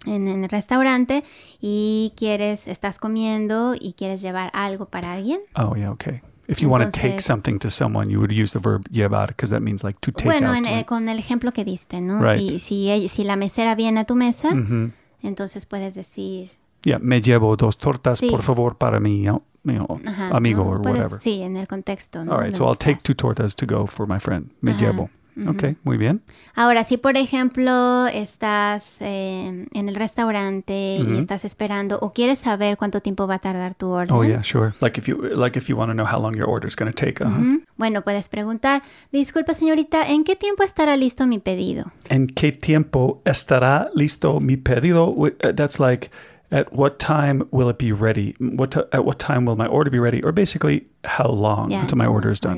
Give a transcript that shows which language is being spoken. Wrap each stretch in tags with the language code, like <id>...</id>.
<es>En el restaurante y quieres estás comiendo y quieres llevar algo para alguien.</es> <en>Oh yeah, okay. If you want to take something to someone, you would use the verb llevar because that means like to take</en> <es>bueno,</es> <en>out.</en> <es>Bueno, con el ejemplo que diste, ¿no?</es> <en>Right.</en> <es>Si la mesera viene a tu mesa, mm-hmm. entonces puedes decir. Yeah, me llevo dos tortas, sí. por favor, para mi amigo ¿no?</es> <en>or</en> <es>puedes,</es> <en>whatever.</en> <es>Sí, en el contexto.</es> <en>All right, so I'll take two tortas to go for my friend.</en> <es>Me llevo.</es> <en>Okay,</en> <es>muy bien. Ahora, si por ejemplo estás en el restaurante mm-hmm. y estás esperando o quieres saber cuánto tiempo va a tardar tu orden.</es> <en>Oh yeah, sure. Like if you want to know how long your order is going to take. Uh-huh. Mm-hmm.</en> <es>Bueno, puedes preguntar, disculpa señorita, ¿en qué tiempo estará listo mi pedido? ¿En qué tiempo estará listo mi pedido?</es> <en>That's like, at what time will it be ready? At what time will my order be ready? Or basically, how long until my order is done.</en>